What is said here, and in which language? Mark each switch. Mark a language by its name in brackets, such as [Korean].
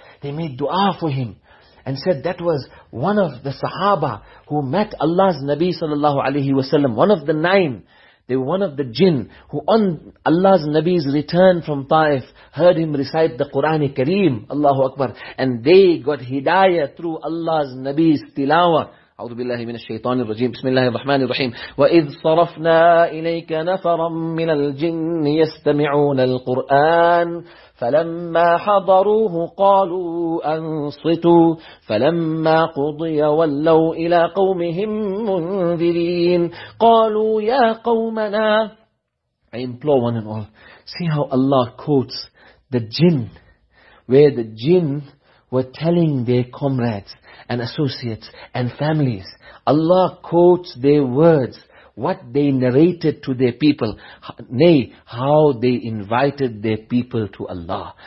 [English] They made dua for him and said, that was one of the sahaba who met Allah's Nabi sallallahu alayhi wa sallam. One of the nine. They were one of the jinn who, on Allah's Nabi's return from Taif, heard him recite the Quran Kareem, Allahu Akbar, and they got hidayah through Allah's Nabi's tilawah. [Arabic] أعوذ بالله من الشيطان الرجيم بسم الله الرحمن الرحيم وإذ صرفنا إليك نفرا من الجن يستمعون القرآن فلما حضروه قالوا أنصتوا فلما قضي ولوا إلى قومهم منذرين قالوا يا قومنا. [English] I implore one and all, see how Allah quotes the jinn, where the jinn were telling their comrades and associates and families. Allah quotes their words, what they narrated to their people, nay, how they invited their people to Allah.